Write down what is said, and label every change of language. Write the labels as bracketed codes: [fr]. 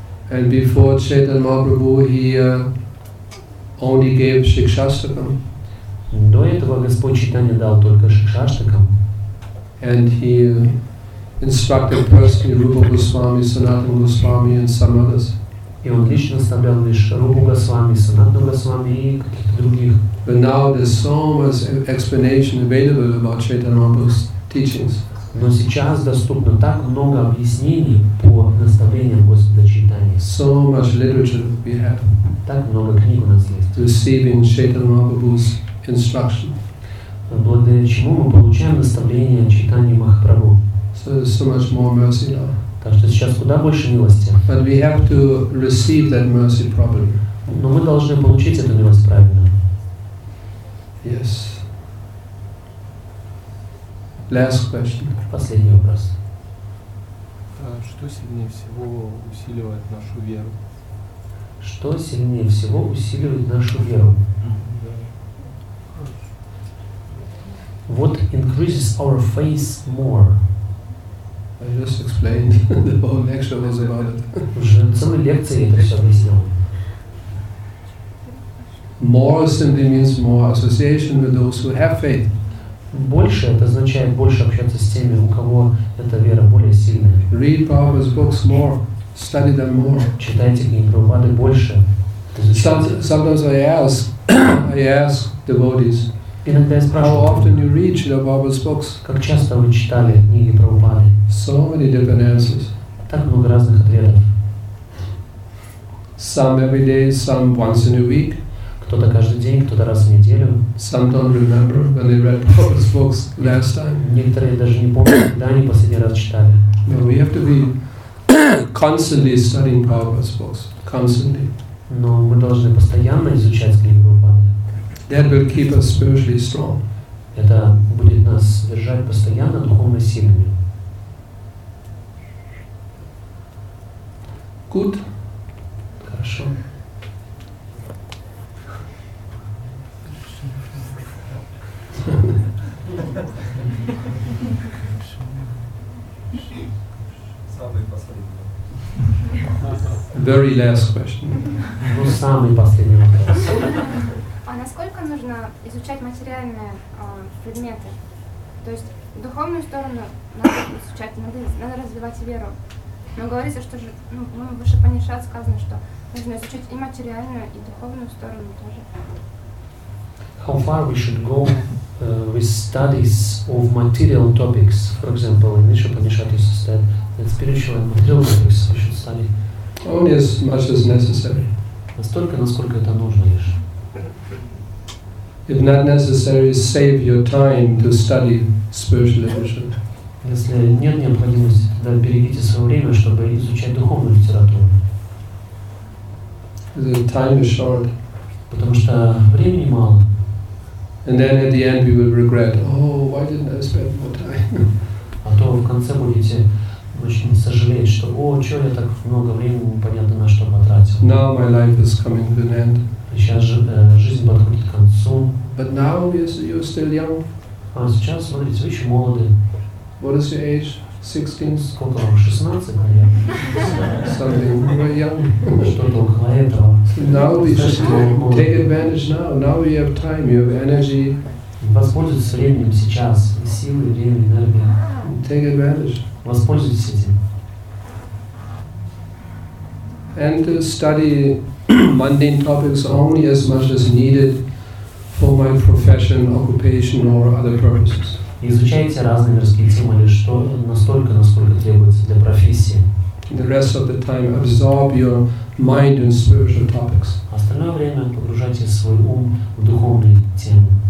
[en] And before Chaitanya Mahaprabhu, he only gave Shikshastakam. [ru] До этого Господь Чайтанья дал только Шикшаштакам. [en] And he instructed personally Rupa Goswami, Sanatana Goswami and some others. [ru] И он лично наставлял лишь Рупу Госвами, Санатану Госвами и каких-то других. [en] But now there's so much explanation available about Chaitanya Mahaprabhu's teachings. [ru] Но сейчас доступно так много объяснений по наставлениям Господа Чайтаньи. [en] So much literature we have. [ru] Так много книг у нас есть. [en] Receiving Chaitanya Mahaprabhu's instruction. [ru] Благодаря чему мы получаем наставления Чайтаньи Махапрабху. [en] So there's so much more mercy now. Так что сейчас куда больше милости. But we have to receive that mercy properly. Но мы должны получить эту милость правильно. Yes. Last question. [ru] Последний вопрос. Что сильнее всего усиливает нашу веру? Что сильнее всего усиливает нашу веру? [en] What increases our faith more? I just explained. The whole lecture was about it. [ru] Уже целая лекция это все объяснила. [en] More simply means more association with those who have faith. [ru] Больше это означает больше общаться с теми, у кого эта вера более сильная. [en] Read Prabhupada's books more. Study them more. [ru] Читайте книги Прабхупады больше. [en] Sometimes I ask devotees. [ru] Иногда я спрашиваю, [en] how often you read Srila Prabhupada's books? [ru] Как часто вы читали книги Прабхупады? [en] So many different answers. [ru] Так много разных ответов. [en] Some every day, some once in a week. [ru] Кто-то каждый день, кто-то раз в неделю. [en] Some don't remember when they read Prabhupada's books last time. [ru] Некоторые даже не помнят, когда они последний раз читали. [en] No, we have to be constantly studying Prabhupada's books. Constantly. [ru] Но мы должны постоянно изучать книги Прабхупады. [en] That will keep us spiritually strong. [ru] Это будет нас держать постоянно духовно сильными. [en] Good. [ru] Хорошо. [en] Very last question. [ru] Ну, самый последний вопрос. А насколько нужно изучать материальные предметы? То есть духовную сторону надо изучать, надо развивать веру. Но говорится, что же, ну, в Упанишадах сказано, что нужно изучить и материальную, и духовную сторону тоже. [en] How far we should go with studies of material topics? For example, in Nisha Upanishad you said that spiritual and material topics we should study. Only as much as necessary. [ru] Настолько, насколько это нужно лишь. [en] it's not necessary to save your time to study spiritual literature. [ru] Если нет необходимости, тогда берегите свое время, чтобы изучать духовную литературу. [en] The time is short. [ru] Потому что времени мало. [en] And then at the end we will regret, oh, why didn't I spend more time? [ru] А то в конце будете очень сожалеть, что, о, чё я так много времени непонятно на что потратил. [en] Now my life is coming to an end. [ru] Сейчас же жизнь подходит к концу. [en] But now you're still young. [ru] А сейчас, смотрите, вы еще молоды. [en] What is your age? 16? [ru] Сколько вам? 16, наверное. [en] Something very young. [ru] Что-то около этого. [en] Now we should take advantage now. Now we have time, you have energy. [ru] Воспользуйтесь временем сейчас. И силы, и время, и энергия. [en] Take advantage. [ru] Воспользуйтесь этим. [en] And to study mundane topics only as much as needed for my profession, occupation or other purposes. [ru] Изучайте разные мирские темы лишь что настолько, насколько требуется для профессии. [en] The rest of the time absorb your mind in spiritual topics. [ru] Остальное время погружайте свой ум в духовные темы.